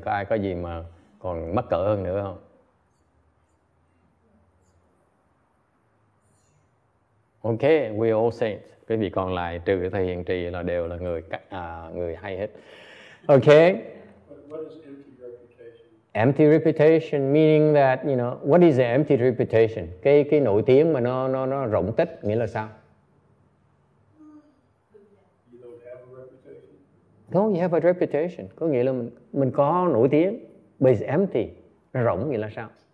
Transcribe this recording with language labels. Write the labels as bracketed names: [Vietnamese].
[Vietnamese] Có ai có gì mà còn mắc cỡ hơn nữa không? [English] Okay, we all saints. [Vietnamese] Quý vị còn lại trừ thầy hiện trì là đều là người hay hết. [English] Okay. Empty reputation meaning that, you know, what is empty reputation? [Vietnamese] Cái nổi tiếng mà nó rỗng tích nghĩa là sao? [English] No, you have a reputation. [Vietnamese] Có nghĩa là mình có nổi tiếng, [English] but it's empty. [Vietnamese] Nó rỗng nghĩa là sao?